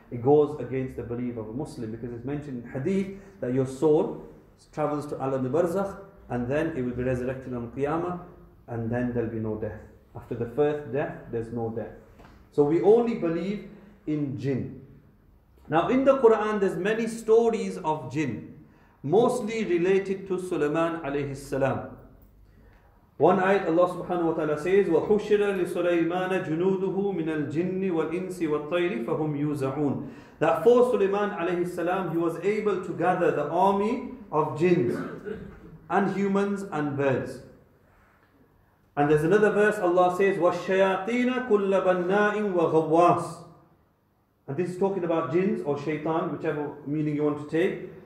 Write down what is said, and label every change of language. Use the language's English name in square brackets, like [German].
[English] It goes against the belief of a Muslim because it's mentioned in hadith that your soul travels to Alam al-Barzakh and then it will be resurrected on Qiyamah and then there'll be no death. After the first death, there's no death. So we only believe in jinn. Now in the Quran, there's many stories of jinn, mostly related to Sulaiman alayhi salam. One ayat Allah subhanahu wa ta'ala says, [Arabic] وَحُشِرَ لِسُلَيْمَانَ جُنُودُهُ مِنَ الْجِنِّ وَالْإِنسِ وَالطَّيْرِ فَهُمْ يُوزَعُونَ. [English] That for Sulaiman alayhi salam, he was able to gather the army of jinns and humans and birds. And there's another verse, Allah says, [Arabic] وَالشَّيَاطِينَ كُلَّ بَنَّاءٍ وَغَوَّاسٍ. [English] And this is talking about jinns or shaitan, whichever meaning you want to take.